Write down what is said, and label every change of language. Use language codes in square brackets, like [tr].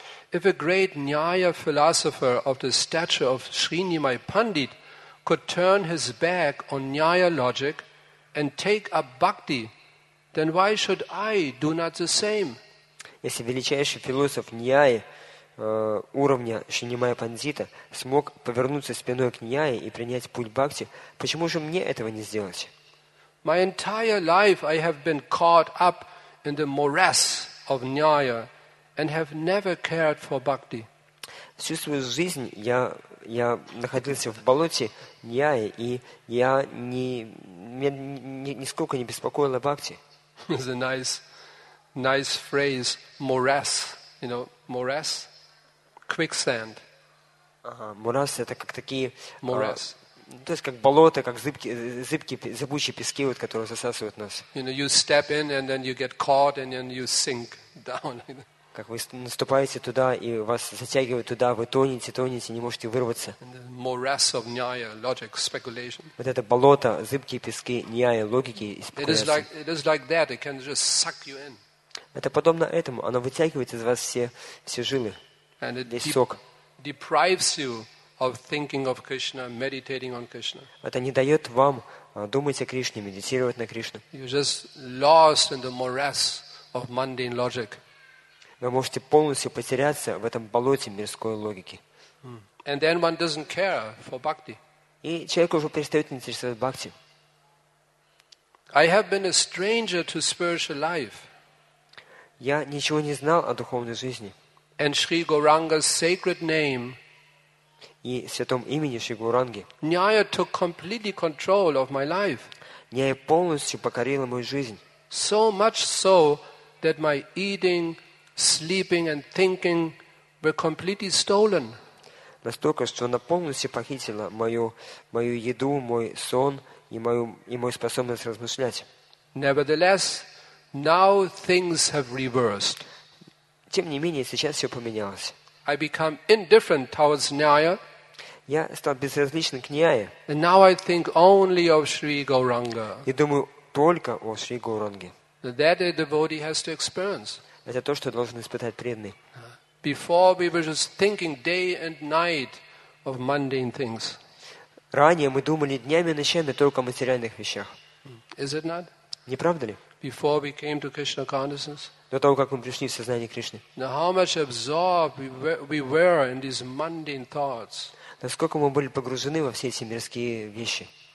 [en] If a great Nyaya philosopher of the stature of Srinimai Pandit could turn his back on Nyaya logic and take up bhakti, then why should I do not the same? [ru] Если величайший философ Nyaya уровня Шинимая Пандита смог повернуться спиной к Ньяе и принять путь бхакти, почему же мне этого не сделать? [en] My entire life I have been caught up in the morass of Nyaya and have never cared for bhakti. [ru] Всю свою жизнь я находился в болоте Ньяи, и я нисколько не беспокоил о бхакти. [en] It's a nice phrase, morass. You know, morass? Quicksand. [ru] Морас – это как такие... Морас. То есть как болото, как зыбкие, зыбучие пески, вот, которые засасывают нас. [en] You know, you step in and then you get caught and then you sink down. [ru] Как вы наступаете туда, и вас затягивают туда, вы тонете, не можете вырваться. [en] Nyaya, logic, [ru] вот это болото, зыбкие пески, Ньяя, логики и спекуляции. Это подобно этому. Оно вытягивает из вас все жилы, весь сок. Это не дает вам думать о Кришне, медитировать на Кришну. Вы просто [en] lost in the morass of mundane logic. [ru] Вы можете полностью потеряться в этом болоте мирской логики. [en] And then one doesn't care for bhakti. [ru] И человек уже перестает интересоваться бхакти. [en] I have been a stranger to spiritual life. [ru] Я ничего не знал о духовной жизни. [en] And Shri Gauranga's sacred name. [ru] И святом имени Шри Гауранги. [en] Nyaya took completely control of my life. [ru] Нья полностью покорила мою жизнь. [en] So much so that my eating, sleeping and thinking were completely stolen. [ru] Настолько, что она полностью похитила мою еду, мой сон и мою способность размышлять. [en] Nevertheless, now things have reversed. [ru] Тем не менее, сейчас все поменялось. [en] I become indifferent towards Nyaya. [ru] Я стал безразличным к Ньяе. [en] And now I think only of Shri Gauranga. [ru] И думаю только о Шри Гауранге. [en] That a devotee has to experience. [ru] Это то, что должен испытать преданный. [en] Before we were just thinking day and night of mundane things. [ru] Ранее мы думали днями и ночами только о материальных вещах. [en] Is it not? [ru] Не правда ли? [en] Before we came to Krishna consciousness. [ru] До того, как мы пришли в сознание Кришны. [en] Now how much absorbed we were in these mundane thoughts. [ru] Насколько мы были погружены во все эти мирские вещи.